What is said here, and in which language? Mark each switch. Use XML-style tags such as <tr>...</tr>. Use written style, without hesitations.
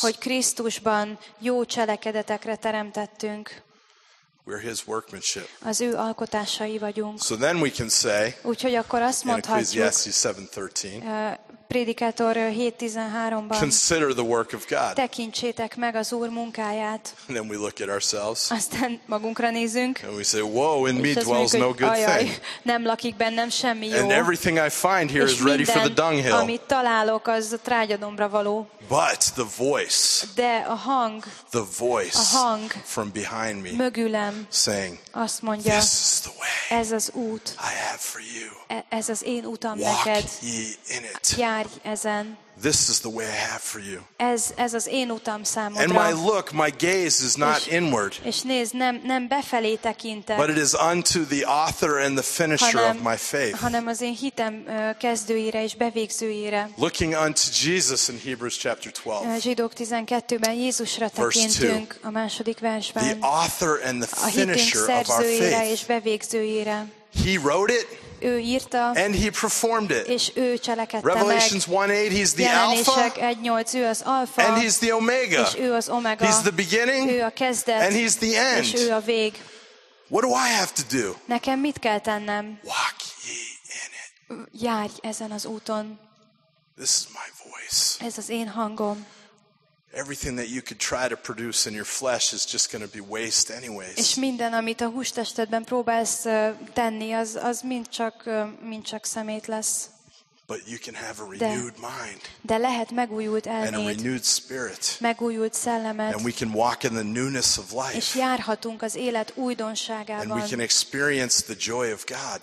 <hu>Hogy Krisztusban jó cselekedetekre teremtettünk.</hu> <en>We're his workmanship.</en> <hu>Az ő alkotásai vagyunk.</hu> <en>So then we can say,</en> <hu>úgyhogy akkor azt mondhatjuk,</hu> <en>Ecclesiastes 7:13,</en> <hu>Prédikátor 7:13-ban,</hu> <en>consider the work of God.</en> <hu>Tekintsétek meg az Úr munkáját.</hu> <en>And then we look at ourselves.</en> <hu>Aztán magunkra nézünk.</hu> <en>And we say, whoa, in me dwells no good thing.</en> <hu>Nem lakik bennem semmi jó.</hu> <en>And everything I find here is ready for the dunghill.</en> <hu>És minden, amit találok, az a trágyadombra való.</hu> <en>But the voice,</en> <hu>de a hang,</hu> <en>the voice,</en> <hu>a hang</hu> <en>from behind me,</en> <hu>mögülem,</hu> <en>saying,</en> <hu>azt mondja,</hu> <en>this is the way,</en> <hu>ez az út,</hu> <en>I have for you.</en> <hu>Ez az én útam</hu> <en>walk</en> <hu>neked.</hu> <en>Ye in it.</en> <hu>Járj ezen.</hu> <en>This is the way I have for you.</en> <hu>Ez az én utam számodra.</hu> <en>And my look, my gaze is not inward.</en> <hu>És nézd, nem befelé tekintek.</hu> <en>But it is unto the author and the finisher of my faith.</en> <hu>Hanem az én hitem kezdőire és bevégzőire.</hu> <en>Looking unto Jesus in Hebrews chapter 12.</en> <hu>A Zsidók 12-ben Jézusra tekintünk a második versben.</hu> <en>The author and the finisher of our faith.</en> <hu>A hitünk szerzőire és bevégzőire.</hu> <en>He wrote it.</en> <hu>Ő írta,</hu> <en>and he performed it.</en> <hu>És ő cselekedte</hu> <en>Revelations</en> <hu>meg.</hu> <en>1:8, he's the Alpha,</en> <hu>1:8, ő az Alpha,</hu> <en>and he's the Omega.</en> <hu>És ő az Omega.</hu> <en>He's the beginning,</en> <hu>ő a kezdet,</hu> <en>and he's the end.</en> <hu>És ő a vég.</hu> <en>What do I have to do?</en> <hu>Nekem mit kell tennem?</hu> <en>Walk ye in it.</en> <hu>Járj ezen az úton.</hu> <en>This is my voice.</en> <hu>Ez az én hangom.</hu> <en>Everything that you could try to produce in your flesh is just going to be waste anyways.</en> <hu>És minden, amit a hústestedben próbálsz tenni, az mind csak szemét lesz.</hu> <en>But you can have a renewed mind.</en> <hu>De lehet megújult elméd.</hu> <en>And a renewed spirit.</en> <hu>Megújult szellemet.</hu> <en>And we can walk in the newness of life.</en> <hu>És járhatunk az élet újdonságában.</hu> <en>And we can experience the joy of God.</en>